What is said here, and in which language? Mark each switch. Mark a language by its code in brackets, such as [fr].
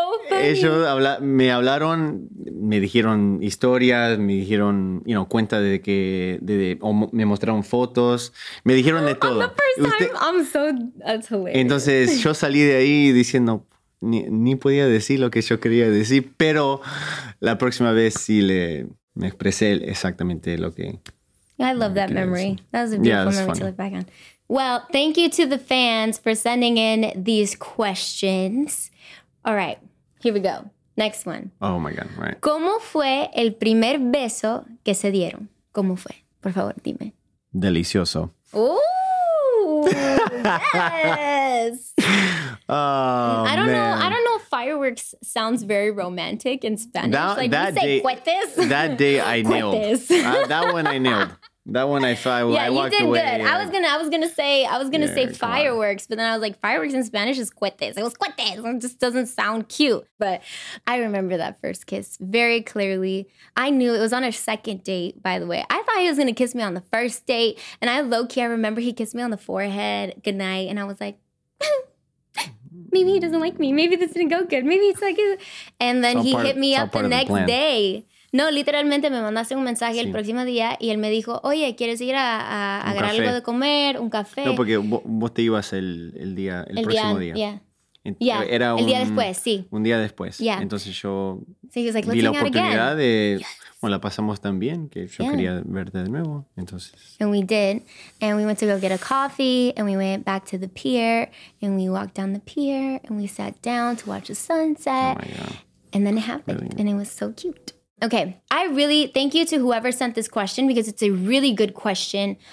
[es] Ellos me hablaron, me dijeron historias, me dijeron, [en] you know, [es] cuenta de que, me mostraron fotos, me dijeron de todo. [en] That's hilarious. [es] Entonces yo salí de ahí diciendo, ni podía decir lo que yo quería decir, pero la próxima vez sí me expresé exactamente lo que... [en] I love that memory. That was a beautiful memory to look back on. Well, thank you to the fans for sending in these questions. All right, here we go. Next one. Oh my God, right. [es] ¿Cómo fue el primer beso que se dieron? ¿Cómo fue? Por favor, dime. Delicioso. [en] Ooh, yes. Oh, I don't know if fireworks sounds very romantic in Spanish. That day, that day I nailed. That one I nailed. That one I thought yeah, I walked you did away. Good. I was gonna say fireworks, but then I was like, fireworks in Spanish is cuetes. It was cuetes. It just doesn't sound cute. But I remember that first kiss very clearly. I knew it was on a second date, by the way. I thought he was gonna kiss me on the first date. And I low key, I remember he kissed me on the forehead. Good night. And I was like, maybe he doesn't like me. Maybe this didn't go good. Maybe it's like, and then he hit me up the next day. [es] No, literalmente me mandaste un mensaje el próximo día y él me dijo, oye, ¿quieres ir a agarrar algo de comer, un café? No, porque vos te ibas el próximo día. El día después, sí. Un día después. Yeah. Entonces yo vi la oportunidad de, bueno, la pasamos tan bien que yo quería verte de nuevo. Entonces. [en] And we did. And we went to go get a coffee and we went back to the pier and we walked down the pier and we sat down to watch the sunset. Oh, my God. And then it happened. Really? And it was so cute. Okay, I really thank you to whoever sent this question because it's a really good question.